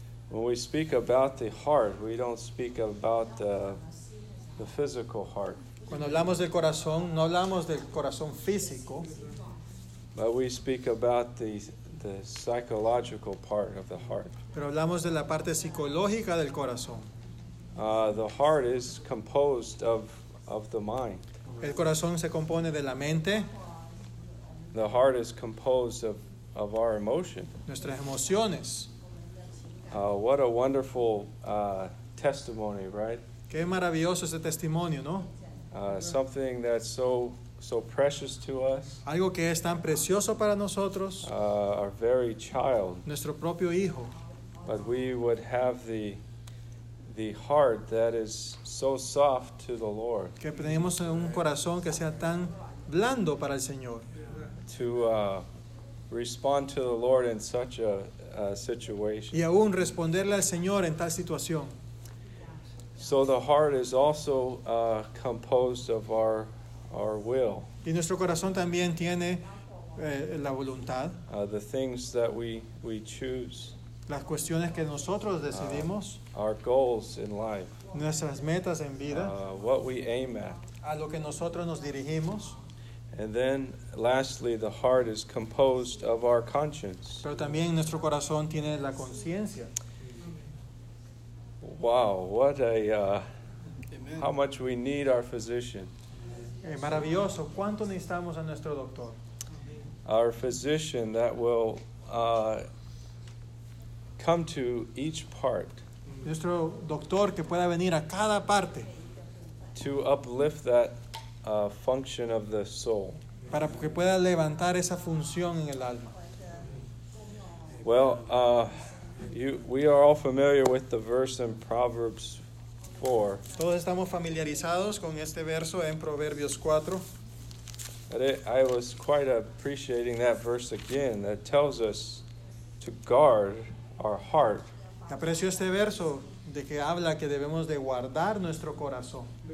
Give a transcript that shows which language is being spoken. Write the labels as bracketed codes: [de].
[en] When we speak about the heart, we don't speak about the physical heart. [es] Cuando hablamos del corazón, no hablamos del corazón físico. [en] But we speak about the psychological part of the heart. [es] Pero hablamos de la parte psicológica del corazón. [en] The heart is composed of the mind. [es] El corazón se compone de la mente. [en] The heart is composed of our emotion. [es] Nuestras emociones. [en] What a wonderful testimony, right? [es] Qué maravilloso ese testimonio, ¿no? [en] Something that's so precious to us. [es] Algo que es tan precioso para nosotros. [en] Our very child. [es] Nuestro propio hijo. [en] But we would have the heart that is so soft to the Lord. [es] Que tenemos un corazón que sea tan blando para el Señor. [en] To respond to the Lord in such a situation. [es] Y aún responderle al Señor en tal situación. [en] So the heart is also composed of our will. [es] Y nuestro corazón también tiene la voluntad. [en] The things that we choose. [es] Las cuestiones que nosotros decidimos. [en] Our goals in life. [es] Nuestras metas en vida. [en] What we aim at. [es] A lo que nosotros nos dirigimos. [en] And then, lastly, the heart is composed of our conscience. [es] Pero también nuestro corazón tiene la conciencia. [en] Wow, what a... how much we need our physician. [es] Maravilloso, ¿cuánto necesitamos a nuestro doctor? [en] Our physician that will come to each part. [es] Nuestro doctor que pueda venir a cada parte. [en] To uplift that function of the soul. [es] Para que pueda levantar esa función en el alma. [en] Well, we are all familiar with the verse in Proverbs 4. [es] Todos estamos familiarizados con este verso en Proverbios 4. [en] I was quite appreciating that verse again that tells us to guard our heart. [es] Aprecio este verso de que habla que debemos de guardar nuestro corazón.